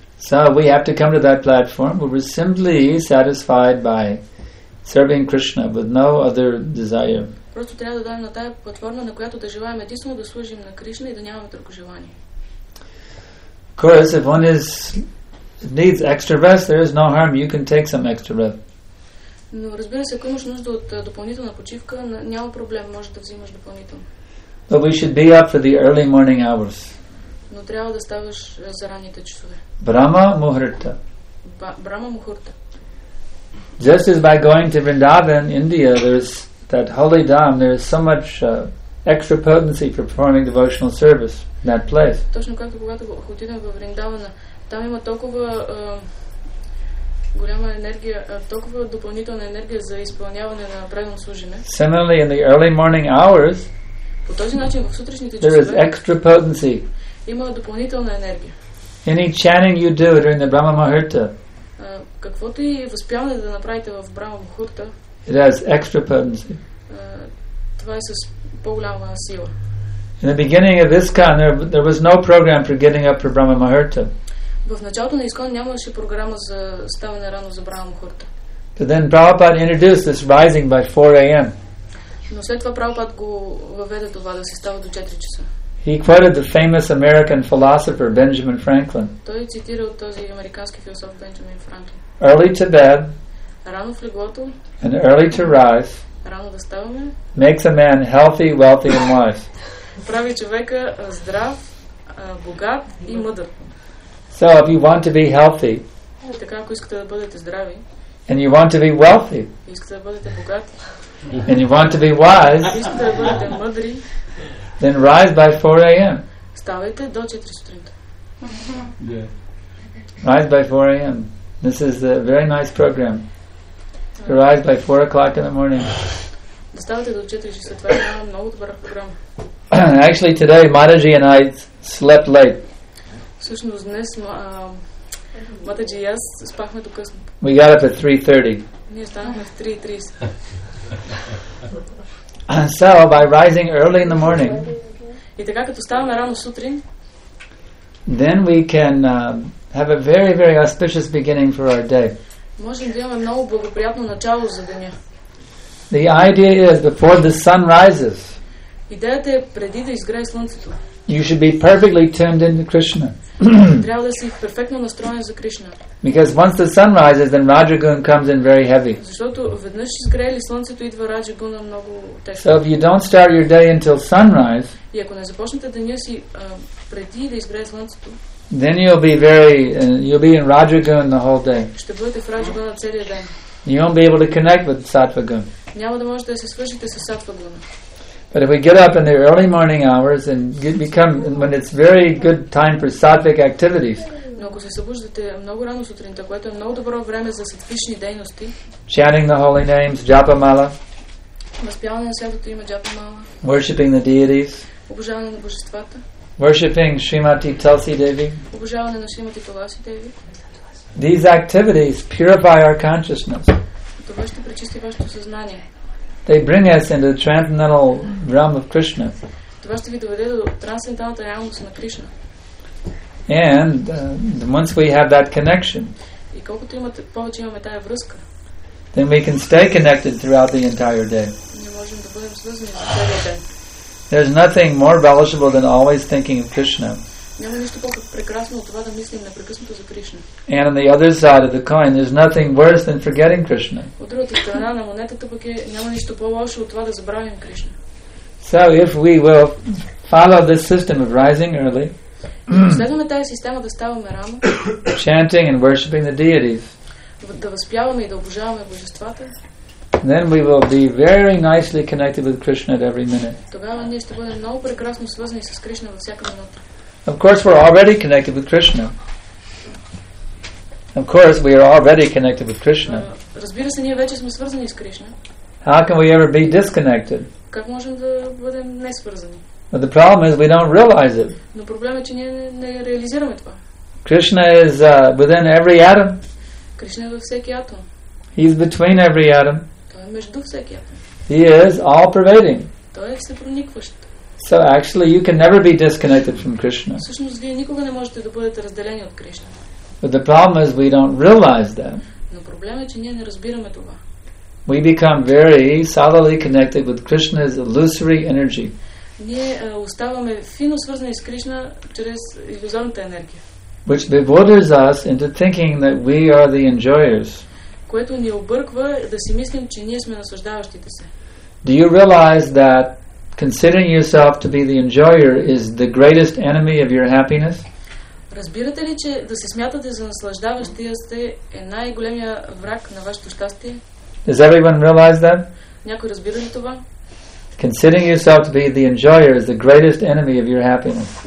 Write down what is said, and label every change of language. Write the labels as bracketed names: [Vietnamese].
[English] So we have to come to that platform where we're simply satisfied by serving Krishna with no other desire. [Bulgarian] Просто трябва да дадем на тая платформа, на която да желаем единствено да служим на Кришна и да нямаме друго желание. [English] Of course, if one is needs extra rest, there is no harm. You can take some extra rest. [Bulgarian] Но разбира се, ако имаш нужда от допълнителна почивка, няма проблем, може да взимаш допълнително. [English] But we should be up for the early morning hours. [Bulgarian] Но трябва да ставаш за ранните часове. Брама мухурта. Брама мухурта. [English] Just as by going to Vrindavan, India, there is that holy dham, there is so much extra potency for performing devotional service in that place. [Bulgarian] Точно както когато отидем в Вриндавана, там има толкова голяма енергия, толкова допълнителна енергия за изпълняване на правилно служене. [English] Similarly, in the early morning hours, [Bulgarian] по този начин в сутрешните часове, [English] there is extra potency. [Bulgarian] Има допълнителна енергия. [English] Any chanting you do during the Brahma Muhurta, [Bulgarian] каквото и възпяване да направите в Брама Мухурта, [English] it has extra potency. [Bulgarian] Това е с по-голяма сила. [English] In the beginning of ISKCON, there was no program for getting up for Brahma Muhurta. [Bulgarian] В началото на ISKCON нямаше програма за ставане рано за Брама Мухурта. [English] But then Prabhupada introduced this rising by 4 a.m. [Bulgarian] Но след това Прабхупад го въведе това да се става до 4 часа. [English] He quoted the famous American philosopher Benjamin Franklin. [Bulgarian] Той цитира от този американски философ Бенджамин Франклин. [English] Early to bed, [Bulgarian] рано в леглото, [English] and early to rise, [Bulgarian] рано да ставаме, [English] makes a man healthy, wealthy and wise. [Bulgarian] Прави човека здрав, богат и мъдър. [English] So if you want to be healthy, [Bulgarian] така ако искате да бъдете здрави, [English] and you want to be wealthy, [Bulgarian] искате да бъдете богат, [English] and you want to be wise, [Bulgarian] искате да бъдете мъдри, [English] then rise by 4 a.m. [Bulgarian] Ставайте до 4 сутринта. [English] Rise by 4 a.m. This is a very nice program. Rise by 4 o'clock in the morning. [Bulgarian] Да ставате до 4 часа. Това е много добър програм. [English] Actually today, Mataji and I slept late. [Bulgarian] Всъщност днес Mataji и аз спахме до късно. [English] We got up at 3:30. [Bulgarian] Ние станахме в 3:30. [English] And so by rising early in the morning, [Bulgarian] и така като ставаме рано сутрин, [English] then we can have a very, very auspicious beginning for our day. [Bulgarian] Можем да имаме много благоприятно начало за деня. [English] The idea is before the sun rises. [Bulgarian] Идеята е преди да изгрее слънцето. [English] You should be perfectly tuned into Krishna. [Bulgarian] Трябва да си перфектно настроен за Кришна. [English] Because once the sun rises, then Rajagun comes in very heavy. [Bulgarian] Защото веднъж изгрее ли слънцето, идва Раджагуна много тежко. [English] So if you don't start your day until sunrise, [Bulgarian] и ако не започнете деня си преди да изгрее слънцето, [English] then you'll be very you'll be in Rajagun the whole day. [Bulgarian] Ще бъдете в Раджагуна целия ден. [English] You won't be able to connect with Сатвагун. [Bulgarian] Няма да можете да се свържете с Сатвагуна. [English] But if we get up in the early morning hours and become when it's very good time for sattvic activities. [Bulgarian] Но ако се събуждате много рано сутринта, което е много добро време за сатвични дейности. [English] Chanting the holy names, japa mala. [Bulgarian] Възпяване на святото име japa mala. [English] Worshipping the deities. [Bulgarian] Обожаване на божествата. [English] Worshipping Shrimati Tulsi Devi. [Bulgarian] Обожаване на Шримати Туласи Деви. [English] These activities purify our consciousness. [Bulgarian] Това ще пречисти вашето съзнание. [English] They bring us into the transcendental realm of Krishna. [Bulgarian] Това ще ви доведе до трансценденталната реалност на Кришна. [English] And once we have that connection, [Bulgarian] и колкото имате, повече имаме тая връзка, [English] then we can stay connected throughout the entire day. [Bulgarian] Ние можем да бъдем свързани за целия ден. [English] There's nothing more relishable than always thinking of Krishna. [Bulgarian] Няма нищо по-прекрасно от това да мислим непрекъснато за Кришна. [English] And on the other side of the coin, there's nothing worse than forgetting Krishna. [Bulgarian] От другата страна на монетата пък е, няма нищо по-лошо от това да забравим Кришна. [English] So if we will follow this system of rising early, [Bulgarian] следваме тази система да ставаме рано, [English] chanting and worshipping the deities, [Bulgarian] да възпяваме и да обожаваме божествата, [English] then we will be very nicely connected with Krishna at every minute. [Bulgarian] Тогава ние ще бъдем много прекрасно свързани с Кришна във всяка минута. [English] Of course, we're already connected with Krishna. Of course, we are already connected with Krishna. [Bulgarian] Разбира се, ние вече сме свързани с Кришна. [English] How can we ever be disconnected? [Bulgarian] Как можем да бъдем несвързани? [English] But the problem is we don't realize it. [Bulgarian] Но проблемът е, че ние не реализираме това. [English] Krishna is within every atom. [Bulgarian] Кришна е във всеки атом. [English] He is between every atom. [Bulgarian] Той е между всеки атом. [English] He is all pervading. [Bulgarian] Той е всепроникващ. [English] So actually you can never be disconnected from Krishna. [Bulgarian] Всъщност вие никога не можете да бъдете разделени от Кришна. [English] But the problem is we don't realize that. [Bulgarian] Но проблемът е, че ние не разбираме това. [English] we become very solidly connected with Krishna's illusory energy. [Bulgarian] Ние оставаме фино свързани с Кришна чрез илюзорната енергия. [English] Which bewilders us into thinking that we are the enjoyers. [Bulgarian] Което ни обърква да си мислим, че ние сме наслаждаващите се. [English] Do you realize that considering yourself to be the enjoyer is the greatest enemy of your happiness? [Bulgarian] Разбирате ли, че да се смятате за наслаждаващия сте е най-големия враг на вашето щастие? [English] Does everyone realize that? [Bulgarian] Някой разбира ли това? [English] Considering yourself to be the enjoyer is the greatest enemy of your happiness.